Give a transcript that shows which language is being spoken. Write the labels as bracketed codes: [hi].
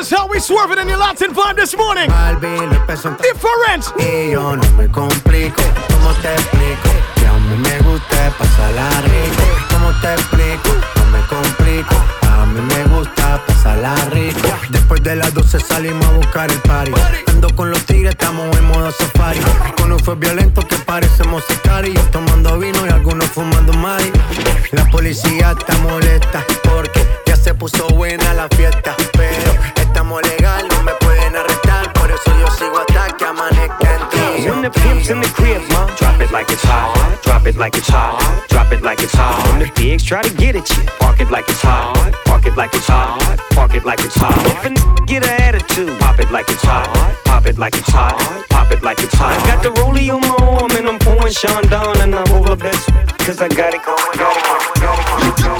[en] we swerving in your Latin vibe this morning. Different. [es] Y yo no me complico, ¿cómo te explico? Que a mí me gusta pasarla rico. ¿Cómo te explico? No me complico. A mí me gusta pasarla rico. Después de las 12 salimos a buscar el party. Ando con los tigres, estamos en modo safari. Con un fue violento que parecemos sicari. Yo tomando vino y algunos fumando mari. La policía está molesta porque ya se puso buena la fiesta. Pero estamos legal, no me pueden arrestar. Por eso yo sigo hasta que amanezca en ti. [en] When the pimp's in the crib, ma, drop it like it's hot. Drop it like it's hot. Drop it like it's hot. When the pigs try to get at you, park it like it's hot. Park it like it's hot. Park it like it's hot. If a n- get a attitude, pop it like it's hot. Pop it like it's hot. Pop it like it's hot. I got the rollie on my arm and I'm pouring Chandon and I'm over best cause I got it going on.